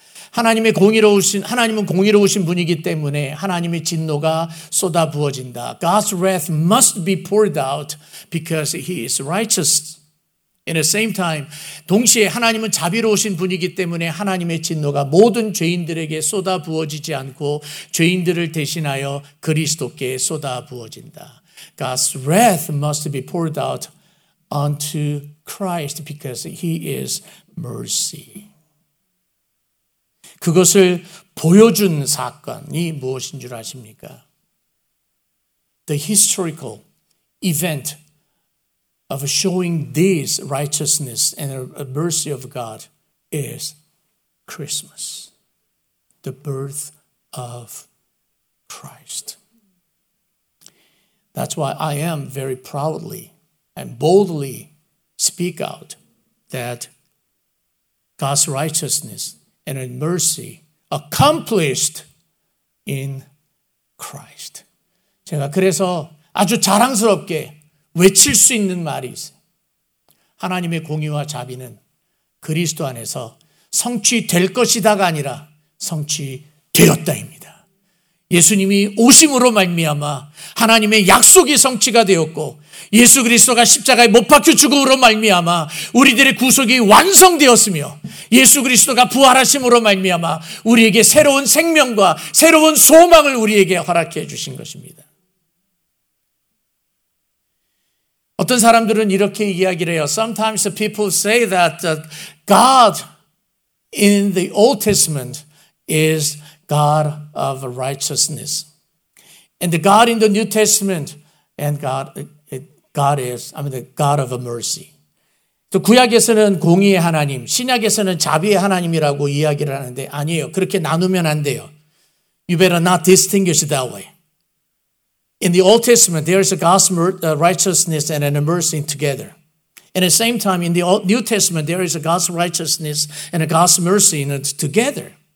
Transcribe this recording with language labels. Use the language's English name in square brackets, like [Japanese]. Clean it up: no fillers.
[Korean] 하나님의 공의로우신 하나님은 공의로우신 분이기 때문에 하나님의 진노가 쏟아 부어진다. [English] God's wrath must be poured out because he is righteous. In the same time, [Korean] 동시에 하나님은 자비로우신 분이기 때문에 하나님의 진노가 모든 죄인들에게 쏟아 부어지지 않고 죄인들을 대신하여 그리스도께 쏟아 부어진다. [English] God's wrath must be poured out onto Christ because he is mercy. [Korean] 그것을 보여준 사건이 무엇인 줄 아십니까? [English] The historical event of showing this righteousness and mercy of God is Christmas, the birth of Christ. That's why I am very proudly and boldly speak out that God's righteousness and in mercy accomplished in Christ. [Korean] 제가 그래서 아주 자랑스럽게 외칠 수 있는 말이 있어요. 하나님의 공의와 자비는 그리스도 안에서 성취될 것이다가 아니라 성취되었다입니다. 예수님이 오심으로 말미암아 하나님의 약속이 성취가 되었고 예수 그리스도가 십자가에 못 박혀 죽음으로 말미암아 우리들의 구속이 완성되었으며 예수 그리스도가 부활하심으로 말미암아 우리에게 새로운 생명과 새로운 소망을 우리에게 허락해 주신 것입니다. 어떤 사람들은 이렇게 이야기를 해요. [English] Sometimes people say that God in the Old Testament is God of righteousness. And the God in the New Testament and the God of mercy. [Korean] 또 구약에서는 공의의 하나님, 신약에서는 자비의 하나님이라고 이야기를 하는데 아니에요. 그렇게 나누면 안 돼요. [English] You better not distinguish it that way. In the Old Testament, there is a God's righteousness and a mercy together. At the same time, in the New Testament, there is a God's righteousness and a God's mercy together.